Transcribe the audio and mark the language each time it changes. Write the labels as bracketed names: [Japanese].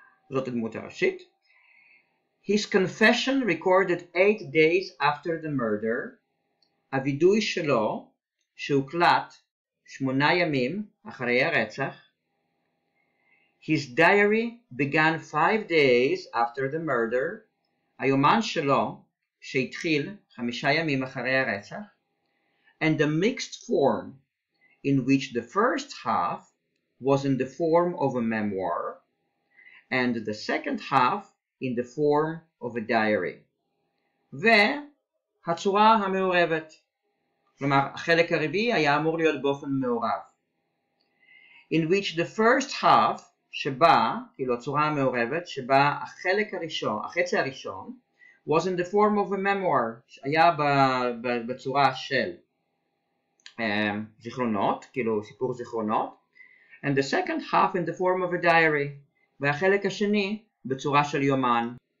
[Hebrew] זאת הדמות הראשית. [English] His confession recorded 8 days after the murder, [Hebrew] הוידוי שלו שהוקלט 8 ימים אחרי הרצח. [English] His diary began 5 days after the murder, [Hebrew] היומן שלו שהתחיל 5 ימים אחרי הרצח. [English] And the mixed form in which the first half was in the form of a memoir and the second half in the form of a diary. [Hebrew] והצורה המעורבת, כלומר החלק הרביעי היה אמור להיות באופן מעורב. In which the first half שבה, כאילו הצורה המעורבת, שבה החלק הראשון, החצי הראשון, was in the form of a memoir, היה בצורה של זיכרונות, כאילו סיפור זיכרונות, and the second half in the form of a diary, והחלק השני בצורה של יומן.